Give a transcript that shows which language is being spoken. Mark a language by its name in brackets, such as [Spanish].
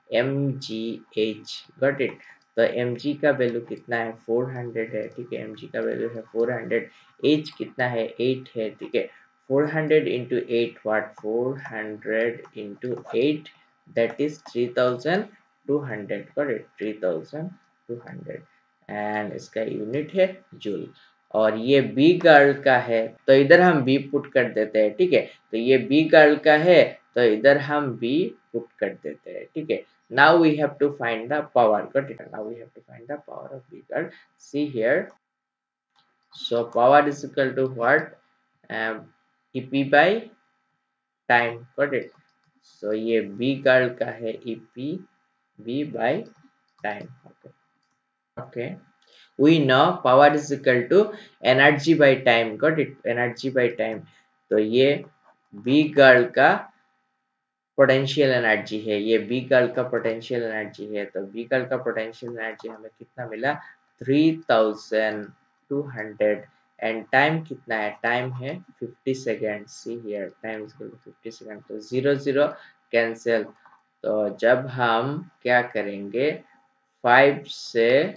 [Hindi] mgh [English] got it [Hindi] तो mg का value कितना है 400 है ठीक है mg का वैल्यू है 400 h कितना है 8 है ठीक है [English] 400 into 8 what 400 into 8 that is 3200 got it 3200 [Hindi] and इसका यूनिट है जूल और ये b गर्ल का है तो इधर हम b पुट कर देते हैं ठीक है तो ये b गर्ल का है तो इधर हम b पुट कर देते हैं ठीक है [English] Now we have to find the power. Got it? Now we have to find the power of B girl. See here. So power is equal to what? EP by time. Got it? [Hindi] So ye B girl ka hai EP B by time. [English] Okay. We know power is equal to energy by time. Got it? Energy by time. [Hindi] So ye B girl ka potential energy है ये B girl का potential energy है तो B girl का potential energy हमें कितना मिला 3200 and time कितना है टाइम है 50 second [English] see here time is equal to 50 second [Hindi] तो 00 कैंसिल तो जब हम क्या करेंगे 5 से